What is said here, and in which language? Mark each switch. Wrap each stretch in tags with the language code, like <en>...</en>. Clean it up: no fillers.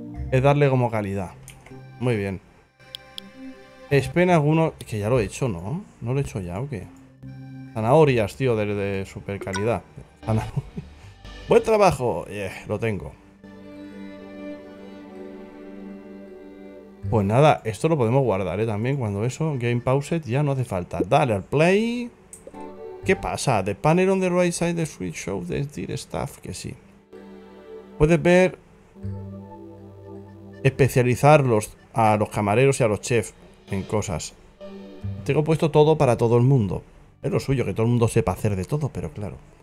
<es>Es darle como calidad. Muy bien. Espera alguno... Que ya lo he hecho, ¿no? ¿No lo he hecho ya o qué? Zanahorias, tío, de super calidad. ¡Buen trabajo! Yeah, lo tengo. Pues nada, esto lo podemos guardar, ¿eh? También cuando eso... Game Paused ya no hace falta. Dale al play. ¿Qué pasa?</es> <en>The panel on the right side of the switch shows the dear staff.</en> <es>Que sí. Puedes ver... Especializarlos a los camareros y a los chefs. En cosas. Tengo puesto todo para todo el mundo. Es lo suyo, que todo el mundo sepa hacer de todo, pero claro.</es>